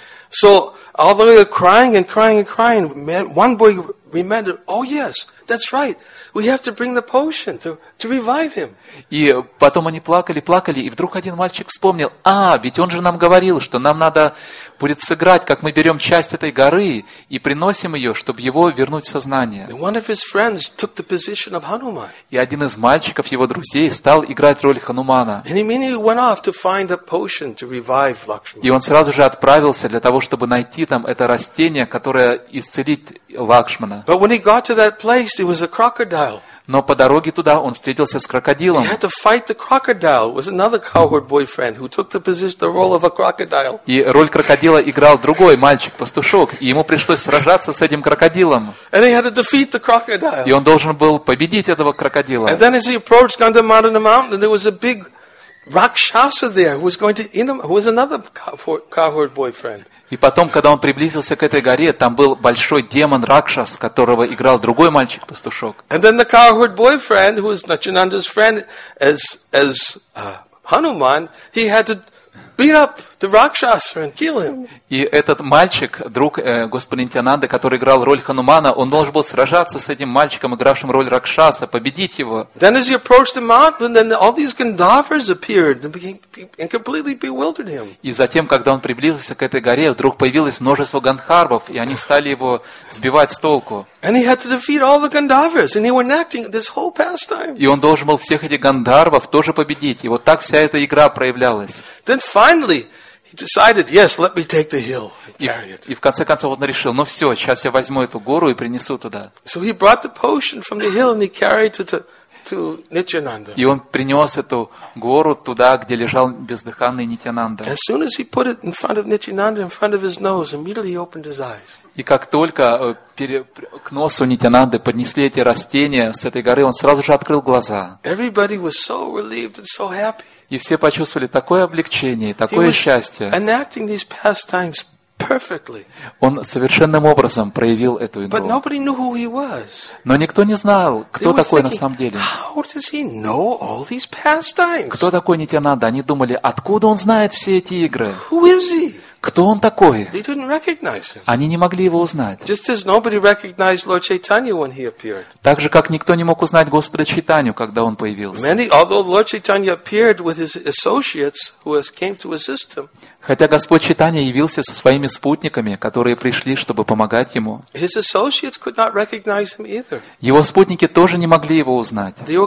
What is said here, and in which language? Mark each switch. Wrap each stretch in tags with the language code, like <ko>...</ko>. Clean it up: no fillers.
<en>So, although they were crying and crying and crying, one boy remembered, oh yes, that's right, we have to bring the potion to revive him.</en> <ru>И потом они плакали, и вдруг один мальчик вспомнил, а, ведь он же нам говорил, что нам надо будет сыграть, как мы берем часть этой горы и приносим ее, чтобы его вернуть в сознание.</ru> <en>And one of his friends took the position of Hanuman.</en> <ru>И один из мальчиков, его друзей, стал играть роль Ханумана.</ru> <en>And he immediately went off to find the potion to revive Lakshman.</en> <ru>И он сразу же отправился для того, чтобы найти там это растение, которое исцелит Лакшмана.</ru> <en>But when he got to that place, it was a crocodile.</en> <ru>Но по дороге туда он встретился с крокодилом.</ru> <en>He had to fight the crocodile. It was another coward boyfriend who took the position, the role of a crocodile.</en> <ru>И роль крокодила играл другой мальчик, пастушок, и ему пришлось сражаться с этим крокодилом.</ru> <en>And he had to defeat the crocodile.</en> <ru>И он должен был победить этого крокодила.</ru> <en>And then as he approached Gandhamadana mountain, there was a big rakshasa there who was going to eat him. Who was another coward boyfriend.</en> <ru>И потом, когда он приблизился к этой горе, там был большой демон Ракшас, которого играл другой мальчик-пастушок.</ru> <en>And then the coward boyfriend, who was Nityananda's friend, as Hanuman, he had to beat up the Rakshasa and kill him.</en> <ru>И этот мальчик, друг господина Нитянанды, который играл роль Ханумана, он должен был сражаться с этим мальчиком, игравшим роль Ракшаса, победить его.</ru> <en>Then as he approached the mountain, then all these Gandhavas appeared and completely bewildered him.</en> <ru>И затем, когда он приблизился к этой горе, вдруг появилось множество гандхарвов, и они стали его сбивать с толку.</ru> <en>And he had to defeat all the Gandhavas, and they were enacting this whole pastime.</en> <ru>И он должен был всех этих гандхарвов тоже победить, и вот так вся эта игра проявлялась.</ru> <en>Then finally, he decided, yes, let me take the hill and carry it.</en> <ru>И в конце концов он решил, ну все, сейчас я возьму эту гору и принесу туда.</ru> <en>So he brought the potion from the hill and he carried it to Nityananda.</en> <ru>И он принес эту гору туда, где лежал бездыханный Нитянанда.</ru> <en>As soon as he put it in front of Nityananda, in front of his nose, immediately he opened his eyes.</en> <ru>И как только к носу Нитянанды поднесли эти растения с этой горы, он сразу же открыл глаза.</ru> <en>Everybody was so relieved and so happy.</en> <ru>И все почувствовали такое облегчение, такое счастье.</ru> <en>Enacting these pastimes perfectly.</en> <ru>Он совершенным образом проявил эту игру.</ru> <en>But nobody knew who he was.</en> <ru>Но никто не знал, кто такой на самом деле.</ru> <en>How does he know all these pastimes?</en> <ru>Кто такой Нитянанда? Они думали, откуда он знает все эти игры?</ru> <en>Who is he?</en> <ru>Кто он такой?</ru> <en>They didn't recognize him.</en> <ru>Они не могли его узнать.</ru> <en>Just as nobody recognized Lord Chaitanya when he appeared.</en> <ru>Так же, как никто не мог узнать Господа Чайтанью, когда он появился.</ru> <en>Although Lord Chaitanya appeared with his associates who came to assist him.</en> <ru>Хотя Господь Чайтанья явился со своими спутниками, которые пришли, чтобы помогать ему. Его спутники тоже не могли его узнать.</ru>